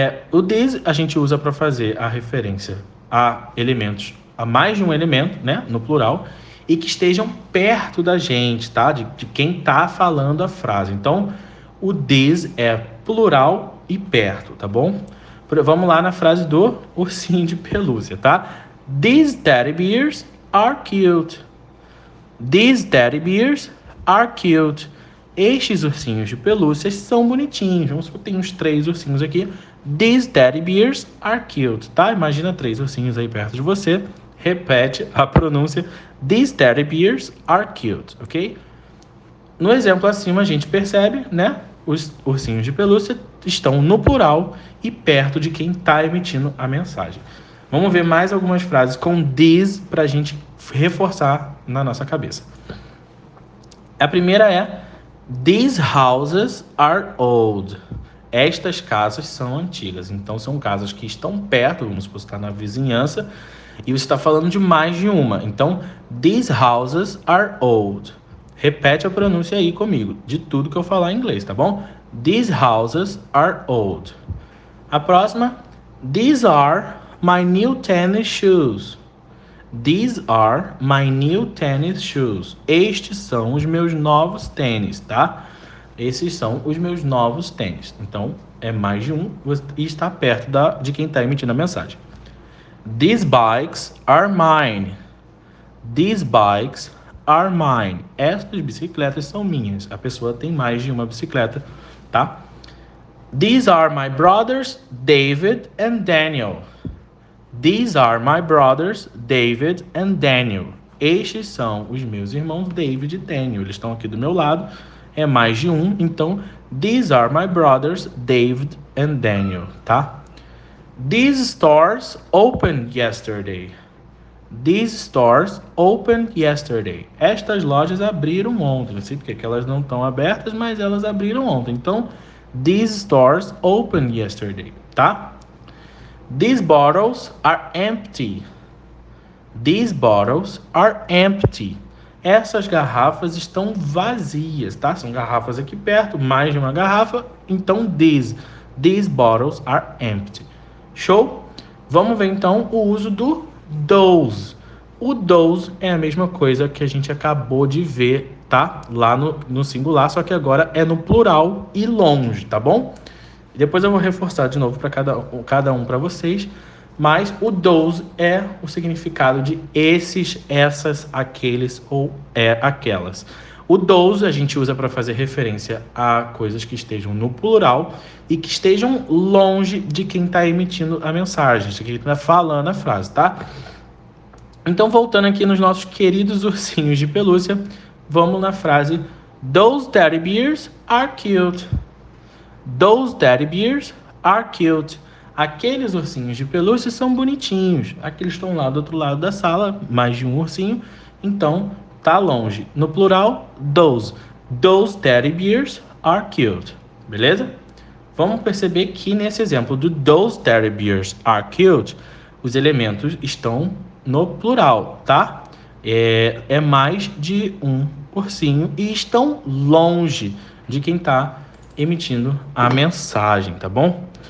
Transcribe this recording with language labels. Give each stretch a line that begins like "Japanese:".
Portuguese: O this a gente usa para fazer a referência a elementos, a mais de um elemento, né, no plural, e que estejam perto da gente, tá, de quem está falando a frase. Então, o this é plural e perto, tá bom? Vamos lá na frase do ursinho de pelúcia, tá?
English: These teddy bears are cute. These teddy bears are cute.
Portuguese: Estes ursinhos de pelúcia são bonitinhos. Vamos supor que tem uns três ursinhos aqui.
English: These teddy bears are cute, tá?
Portuguese: Imagina três ursinhos aí perto de você. Repete a pronúncia.
English: These teddy bears are cute, ok?
Portuguese: No exemplo acima, a gente percebe, né? Os ursinhos de pelúcia estão no plural e perto de quem está emitindo a mensagem. Vamos ver mais algumas frases com these para a gente reforçar na nossa cabeça. A primeira é,
English: these houses are old.
Portuguese: Estas casas são antigas. Então, são casas que estão perto, vamos supor, está na vizinhança. E você está falando de mais de uma.
English: Então, these houses are old.
Portuguese: Repete a pronúncia aí comigo, de tudo que eu falar em inglês, tá bom?
English: These houses are old.
Portuguese: A próxima,
English: these are my new tennis shoes. These are my new tennis shoes.
Portuguese: Estes são os meus novos tênis, tá? Esses são os meus novos tênis. Então, é mais de um e está perto de quem está emitindo a mensagem.
English: These bikes are mine. These bikes are mine.
Portuguese: Estas bicicletas são minhas. A pessoa tem mais de uma bicicleta, tá?
English: These are my brothers, David and Daniel. These are my brothers, David and Daniel.
Portuguese: Estes são os meus irmãos, David e Daniel. Eles estão aqui do meu lado. É mais de um. Então,
English: these are my brothers, David and Daniel,
Portuguese: tá?
English: These stores opened yesterday. These stores opened yesterday.
Portuguese: Estas lojas abriram ontem. Não sei porque que elas não estão abertas, mas elas abriram ontem.
English: Então, these stores opened yesterday, tá? These bottles are empty. These bottles are empty.
Portuguese: Essas garrafas estão vazias, tá? São garrafas aqui perto, mais de uma garrafa.
English: Então, these bottles are empty.
Portuguese: Show? Vamos ver, então, o uso do those. O those é a mesma coisa que a gente acabou de ver, tá? Lá no singular, só que agora é no plural e longe, tá bom? E depois eu vou reforçar de novo para cada um para vocês. Mas o those é o significado de esses, essas, aqueles ou é aquelas. O those a gente usa para fazer referência a coisas que estejam no plural e que estejam longe de quem está emitindo a mensagem, de quem está falando a frase, tá? Então, voltando aqui nos nossos queridos ursinhos de pelúcia, vamos na frase:
English: those teddy bears are cute. Those teddy bears are cute.
Portuguese: Aqueles ursinhos de pelúcia são bonitinhos. Aqui eles estão lá do outro lado da sala, mais de um ursinho. Então, tá longe. No plural, those.
English: Those teddy bears are cute.
Portuguese: Beleza? Vamos perceber que nesse exemplo do
English: those teddy bears are cute,
Portuguese: os elementos estão no plural, tá? É mais de um ursinho e estão longe de quem tá emitindo a mensagem, tá bom?